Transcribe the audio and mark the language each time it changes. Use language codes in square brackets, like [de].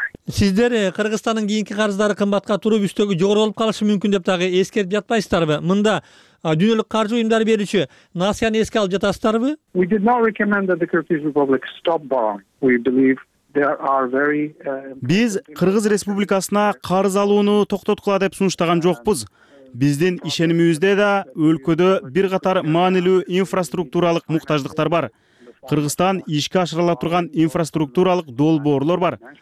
[ky] Сиздер Кыргызстандын кийинки карыздары кымбатка туруп үстөгү жогору болуп калышы мүмкүн деп дагы эскертип жатпайсыздарбы? Мында дүйнөлүк каржы уюмдары берүүчү насыяны эске алып жатасыздарбы? [en] We did not recommend that the Kyrgyz Republic stop borrowing. We believe [ky] Биз Кыргыз Республикасына карыз алууну токтоткула деп сунуштаган жокпуз. Биздин ишенимибизде да өлкөдө бир катар маанилүү инфраструктуралык муктаждыктар бар. Кыргызстан ишке ашырыла турган инфраструктуралык долбоорлор бар.